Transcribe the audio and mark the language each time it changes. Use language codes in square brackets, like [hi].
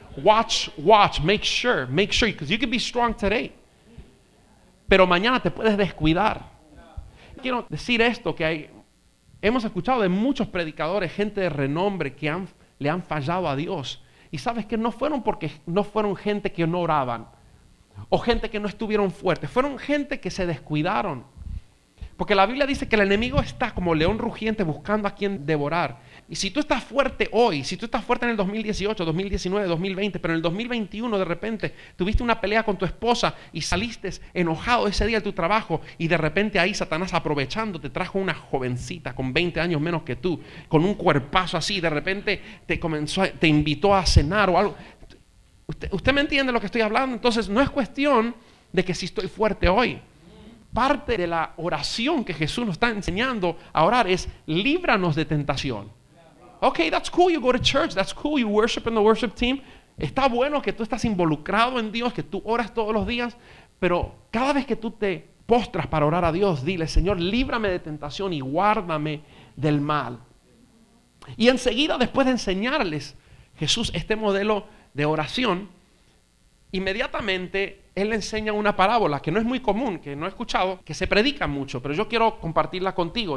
[en] Watch, watch, make sure, because you can be strong today. [es] Pero mañana te puedes descuidar. Quiero decir esto, que hemos escuchado de muchos predicadores, gente de renombre que le han fallado a Dios. Y sabes que no fueron porque no fueron gente que no oraban, o gente que no estuvieron fuertes, fueron gente que se descuidaron. Porque la Biblia dice que el enemigo está como león rugiente buscando a quien devorar. Y si tú estás fuerte hoy, si tú estás fuerte en el 2018, 2019, 2020, pero en el 2021 de repente tuviste una pelea con tu esposa y saliste enojado ese día de tu trabajo, y de repente ahí Satanás aprovechando te trajo una jovencita con 20 años menos que tú, con un cuerpazo así, de repente te invitó a cenar o algo. ¿Usted me entiende lo que estoy hablando? Entonces no es cuestión de que si estoy fuerte hoy. Parte de la oración que Jesús nos está enseñando a orar es, líbranos de tentación. [en] Ok, that's cool, you go to church, that's cool, you worship in the worship team. [es] Está bueno que tú estás involucrado en Dios, que tú oras todos los días, pero cada vez que tú te postras para orar a Dios, dile, Señor, líbrame de tentación y guárdame del mal. Y enseguida, después de enseñarles Jesús este modelo de oración, inmediatamente Él enseña una parábola que no es muy común, que no he escuchado, que se predica mucho, pero yo quiero compartirla contigo.